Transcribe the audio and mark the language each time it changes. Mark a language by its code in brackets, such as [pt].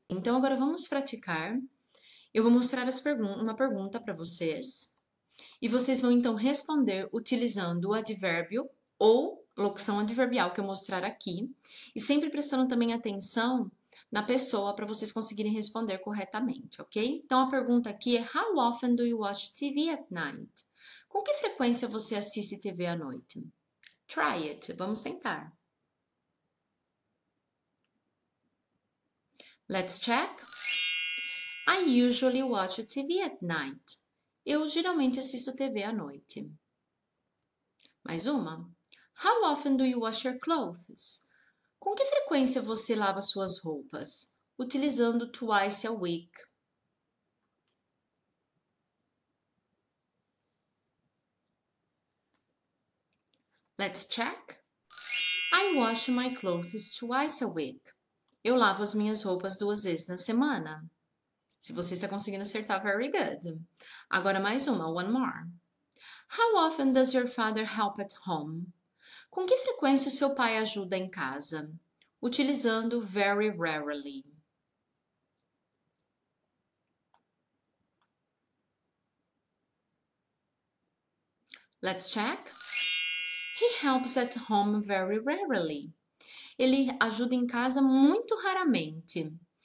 [pt] Então, agora vamos praticar. Eu vou mostrar uma pergunta para vocês, e vocês vão então responder utilizando o advérbio ou locução adverbial que eu mostrar aqui, e sempre prestando também atenção na pessoa para vocês conseguirem responder corretamente, ok? Então a pergunta aqui é: [en] How often do you watch TV at night? [pt] Com que frequência você assiste TV à noite? [en] Try it, [pt] vamos tentar. [en] Let's check. I usually watch TV at night. [pt] Eu geralmente assisto TV à noite. Mais uma. [en] How often do you wash your clothes? [pt] Com que frequência você lava suas roupas? [en] Utilizando twice a week. Let's check. I wash my clothes twice a week. [pt] Eu lavo as minhas roupas duas vezes na semana. Se você está conseguindo acertar, [en] very good. [pt] Agora mais uma, [en] one more. How often does your father help at home? [pt] Com que frequência o seu pai ajuda em casa? Utilizando [en] very rarely. Let's check. He helps at home very rarely. [pt] Ele ajuda em casa muito raramente.